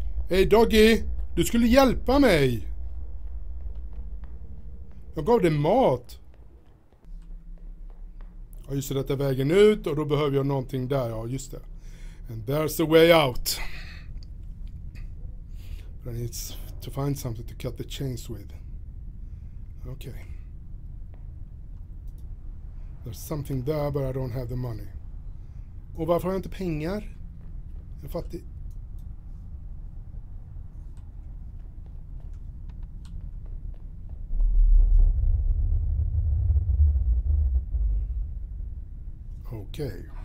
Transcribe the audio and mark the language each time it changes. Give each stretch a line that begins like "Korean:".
Swedish: Hej doggy, du skulle hjälpa mig. Jag gav dig mat. Ja, just det, detta vägen ut och då behöver jag någonting där. Ja, just det.
English: And there's the way out. Then it's to find something to cut the chains with. Okay. There's something there, but I don't have the money.
Swedish: Och varför har jag inte pengar? Jag fattar.
English: Okay.